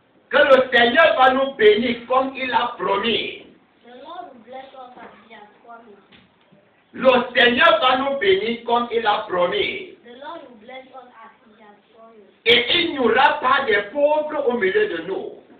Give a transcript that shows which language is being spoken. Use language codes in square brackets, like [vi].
[fr] Que le Seigneur va nous bénir comme il a promis. [en] The Lord will bless us as he has promised. [fr] Le Seigneur va nous bénir comme il a promis. [en] The Lord will bless us. [fr] Et il n'y aura pas de pauvres au milieu de nous.